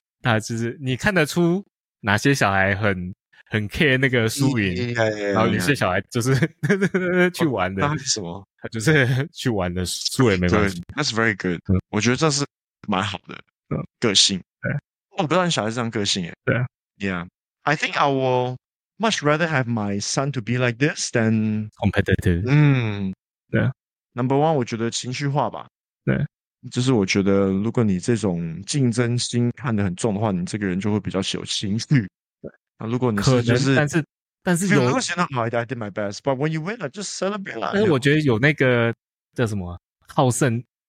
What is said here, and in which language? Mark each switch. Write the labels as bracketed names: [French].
[Chinese] 啊，就是你看得出哪些小孩很 care 那个输赢，然后有些小孩就是去玩的，那是什么？他就是去玩的，输也没关系。 [English] That's very good，嗯， [Chinese] 我觉得这是。蛮好的个性，我不知道你小孩子这样个性耶。对 [English] ，Yeah， I think I will much rather have my son to be like this than competitive。 [Chinese] 嗯，对。 [English] Number one， [Chinese] 我觉得情绪化吧。对，就是我觉得如果你这种竞争心看得很重的话，你这个人就会比较有情绪。对，那如果你是就是，但是有，我觉得好 [English] ，I did my best， but when you win， I just celebrate。 [Chinese] 但是我觉得有那个叫什么好胜。